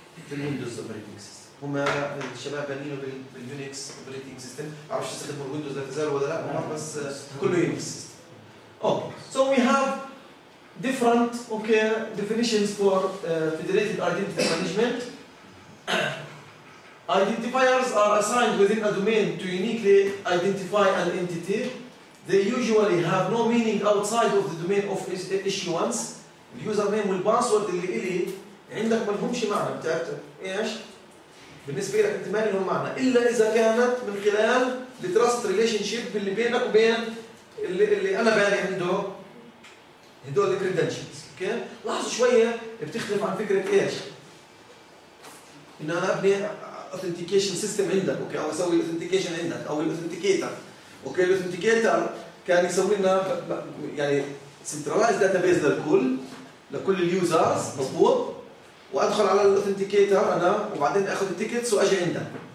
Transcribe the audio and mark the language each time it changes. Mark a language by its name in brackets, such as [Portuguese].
[Arabic] بالويندوز اوبريتنج سيستم هم الشباب بانينه باليونكس اوبريتنج سيستم ما بعرفش استخدموا الويندوز لا تزال ولا لا بس كله يونكس [English] Okay so we have different okay definitions for federated identity management Identifiers are assigned within a domain to uniquely identify an entity. They usually have no meaning outside of the domain of issuance. The username and password [Arabic] اللي إلي عندك ما لهمش معنى بتاعته إيش؟ بالنسبة لك أنت ما لهم معنى إلا إذا كانت من خلال [English] the trust relationship [Arabic] اللي بينك وبين اللي أنا باني عنده هدول the credentials. Okay؟ لاحظ شوية بتختلف عن فكرة إيش؟ إن أنا أبني authentication system عندك اوكي او اسوي authentication عندك او الاوثنتيكيتر اوكي الاوثنتيكيتر كان يسوي لنا يعني سنترلايز داتابيز للكل لكل اليوزرز مضبوط وادخل على الاوثنتيكيتر انا وبعدين اخذ التيكتس واجي عندك